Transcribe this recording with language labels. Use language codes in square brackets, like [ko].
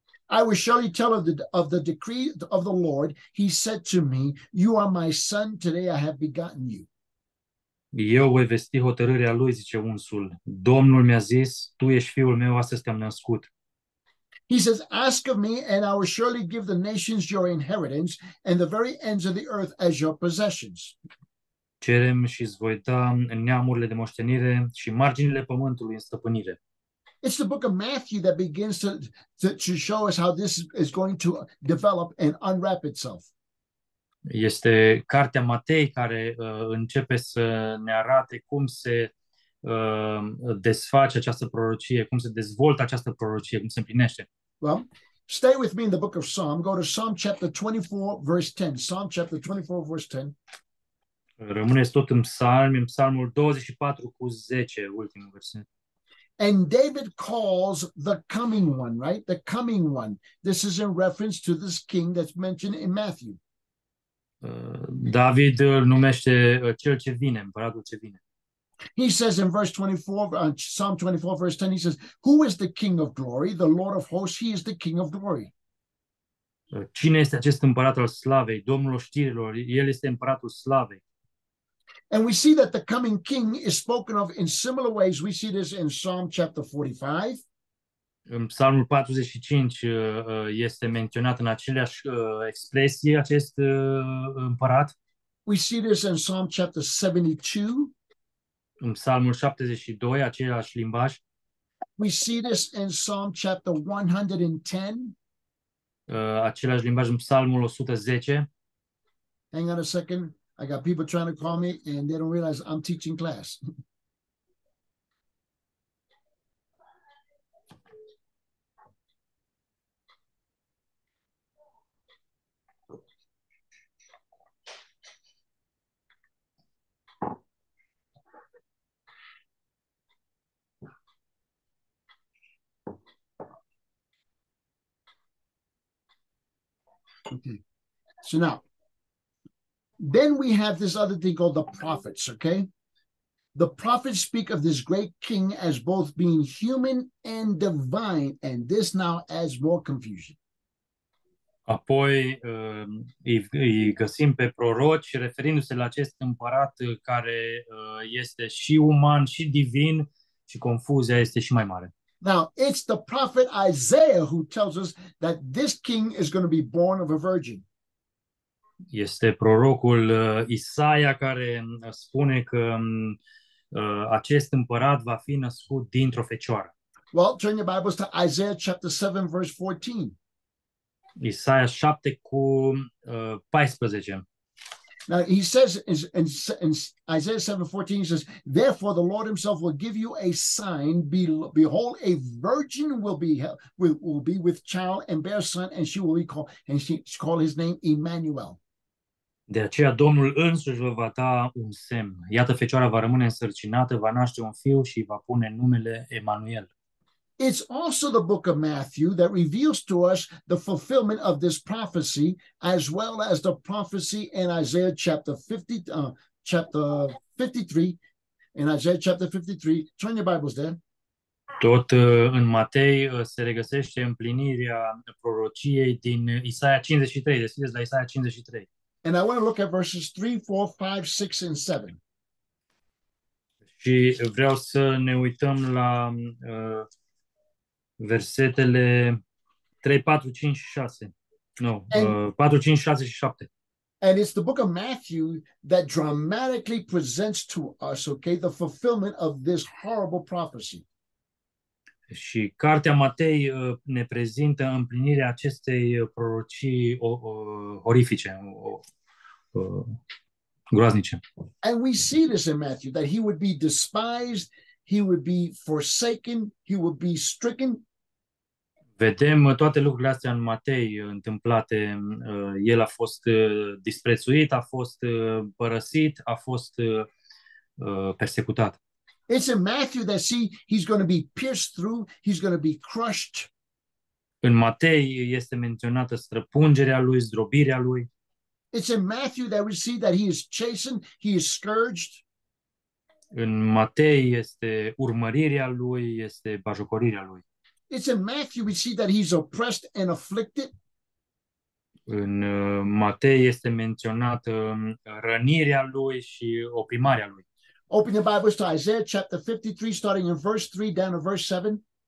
[en] "I will surely tell of the decree of the Lord. He said to me, 'You are my son, today I have begotten you.'" [ro] Eu voi vesti hotărârea lui, zice unsul. Domnul mi-a zis, tu ești fiul meu, astăzi te-am născut. [en] He says, "Ask of me and I will surely give the nations your inheritance and the very ends of the earth as your possessions." [ro] Cerem și îți voi da neamurile de moștenire și marginile pământului în stăpânire. [en] It's the book of Matthew that begins to show us how this is going to develop and unwrap itself. [ro] Este cartea Matei care începe să ne arate cum se desface această prorocie, cum se dezvoltă această prorocie, cum se împlinește. [en] Well, stay with me in the book of Psalm. Go to Psalm chapter 24, verse 10. Psalm chapter 24, verse 10. [ro] Rămâneți tot în Psalmul 24 cu 10, ultimul verset. [en] "And David calls the coming one," right? The coming one. This is in reference to this king that's mentioned in Matthew. [ro] David îl numește cel ce vine, împăratul ce vine. [en] He says in verse 24, Psalm 24, verse 10, he says, "Who is the King of glory? The Lord of hosts, he is the King of glory." [ro] Cine este acest împărat al slavei? Domnul oștirilor, el este împăratul slavei. [en] And we see that the coming king is spoken of in similar ways. We see this in Psalm chapter 45. [ro] În Psalmul 45 este menționat în aceleași expresie acest împărat. [en] We see this in Psalm chapter 72. [ro] În Psalmul 72, același limbaj. [en] We see this in Psalm chapter 110. [ro] Același limbaj în Psalmul 110. [en] Hang on a second. I got people trying to call me and they don't realize I'm teaching class. Okay. So now, then we have this other thing called the prophets, okay? The prophets speak of this great king as both being human and divine, and this now adds more confusion. [ro] Apoi îi găsim pe proroci referindu-se la acest împărat care este și uman și divin, și confuzia este și mai mare. [en] Now, it's the prophet Isaiah who tells us that this king is going to be born of a virgin. [ro] Este prorocul Isaia care spune că acest împărat va fi născut dintr-o fecioară. [en] Well, turn your Bibles to Isaiah chapter 7, verse 14. [ro] Isaia 7 cu 14. [en] Now he says in Isaiah 7:14, he says, therefore the Lord himself will give you a sign. Behold, a virgin will be with child and bear son, and she will be called, and she call his name Emmanuel. [ro] De aceea Domnul însuși vă va da un semn. Iată, fecioara va rămâne însărcinată, va naște un fiu și va pune numele Emmanuel. [en] It's also the book of Matthew that reveals to us the fulfillment of this prophecy, as well as the prophecy in Isaiah chapter 53. In Isaiah chapter 53, turn your Bibles there. [ro] Tot în Matei se regăsește împlinirea prorociei din Isaia 53. Deschideți la Isaia 53. [en] And I want to look at verses 3, 4, 5, 6, and 7. [ro] Și vreau să ne uităm la versetele 3, 4, 5, 6. No, 4, 5, 6 și 7. [en] And it's the book of Matthew that dramatically presents to us, okay, the fulfillment of this horrible prophecy. [ro] Și cartea Matei ne prezintă împlinirea acestei prorocii orifice, groaznice. [en] And we see this in Matthew, that he would be despised, he would be forsaken, he would be stricken. [ro] Vedem toate lucrurile astea în Matei întâmplate. El a fost disprețuit, a fost părăsit, a fost persecutat. [en] It's in Matthew that see he's going to be pierced through, he's going to be crushed. [ro] În Matei este menționată străpungerea lui, zdrobirea lui. [en] It's in Matthew that we see that he is chastened, he is scourged. [ro] În Matei este urmărirea lui, este bajocorirea lui. [en] It's in Matthew we see that he's oppressed and afflicted. [ro] În Matei este menționată rănirea lui și oprimarea lui. [en] Open your Bibles to Isaiah chapter 53, starting in verse 3 down to verse 7.